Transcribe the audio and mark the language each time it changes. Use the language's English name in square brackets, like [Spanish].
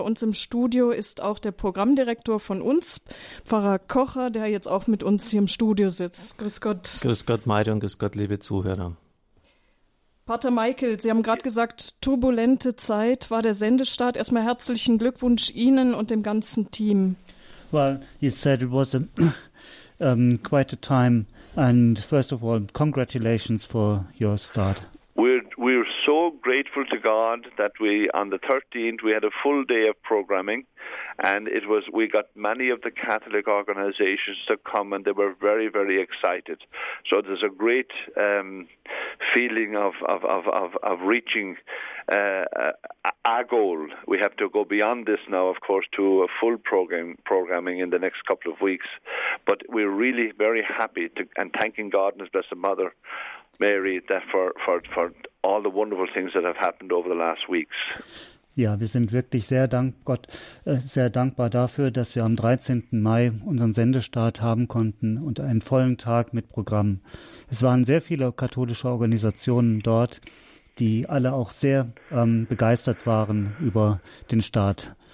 [German] Bei uns im Studio ist auch der Programmdirektor von uns, Pfarrer Kocher, der jetzt auch mit uns hier im Studio sitzt. Grüß Gott. Grüß Gott, Mario, und grüß Gott, liebe Zuhörer. Pater Michael, Sie haben gerade gesagt, turbulente Zeit war der Sendestart. Erstmal herzlichen Glückwunsch Ihnen und dem ganzen Team. [English] Well, you said it was quite a time, and first of all, congratulations for your start. We're so grateful to God that we, on the 13th, we had a full day of programming, and we got many of the Catholic organizations to come, and they were very, very excited. So there's a great feeling of reaching our goal. We have to go beyond this now, of course, to a full programming in the next couple of weeks. But we're really very happy and thanking God and His Blessed Mother Mary that for all the wonderful things that have happened over the last weeks. [German] Ja, wir sind wirklich sehr dankbar dafür, dass wir am 13. Mai unseren Sendestart haben konnten und einen vollen Tag mit Programm. Es waren sehr viele katholische Organisationen dort, die alle auch sehr begeistert waren über den Start.